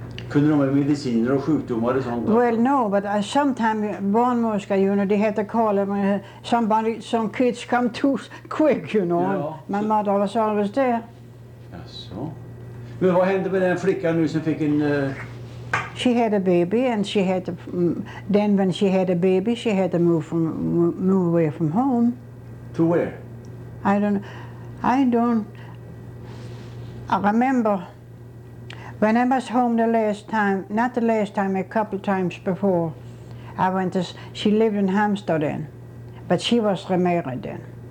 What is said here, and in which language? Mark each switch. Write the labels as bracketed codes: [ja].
[sv] Kunde de med mediciner och sjukdomar och sånt? [en] Well, no, but sometimes barnmorska, you know, they had to call them somebody, some kids come too quick, you know. [sv] Ja, [en] my mother was always there. [sv] Jaså. Men vad hände med den flickan nu som fick en... [en] She had a baby and she had to... Then when she had a baby, she had to move away from home. To where? I remember when I was home the last time, not the last time, a couple times before, I went to, she lived in Halmstad then, but she was remarried then.